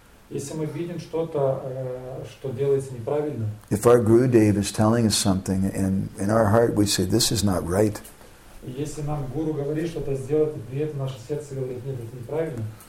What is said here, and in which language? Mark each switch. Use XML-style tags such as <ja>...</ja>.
<ru>если мы видим что-то, что делается неправильно,</ru> <en>if our Gurudev is telling us something and in our heart we say, this is not right,</en> <ru>если нам гуру говорит что-то сделать, и при этом наше сердце говорит, нет, это неправильно,</ru>